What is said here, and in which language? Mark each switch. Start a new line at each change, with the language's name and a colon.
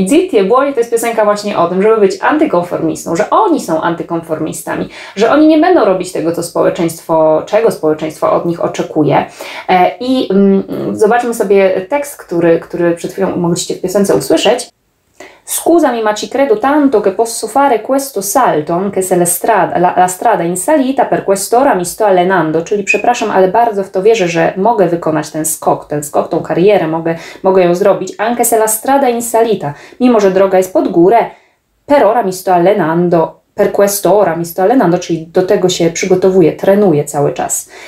Polish: I Zitie Błoni to jest piosenka właśnie o tym, żeby być antykonformistą, że oni są antykonformistami, że oni nie będą robić tego, czego społeczeństwo od nich oczekuje. I zobaczmy sobie tekst, który przed chwilą mogliście w piosence usłyszeć.
Italian: Scusami, ma ci credo tanto che posso fare questo salto, anche se la strada in salita per quest'ora mi sto allenando.
Polish: Czyli przepraszam, ale bardzo w to wierzę, że mogę wykonać ten skok, tą karierę, mogę ją zrobić.
Italian: Anche se la strada in salita,
Polish: mimo że droga jest pod górę,
Italian: per ora mi sto allenando. Per questo ora mi sto allenando,
Polish: czyli do tego się przygotowuję, trenuję cały czas.